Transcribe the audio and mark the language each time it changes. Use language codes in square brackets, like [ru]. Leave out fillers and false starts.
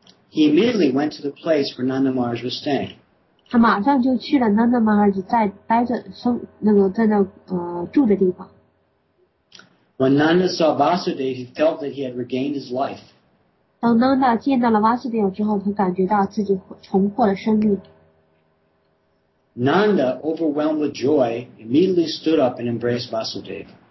[en] He immediately went to the place where Nanda Maharaj was staying. [zh] 他马上就去了Nanda Maharaj在住的地方。 [en] When Nanda saw Vasudev, he felt that he had regained his life. [zh] 当Nanda见到了Vasudev之后，他感觉到自己重获了生命。Nanda, [en] overwhelmed with joy, immediately stood up and embraced Vasudev.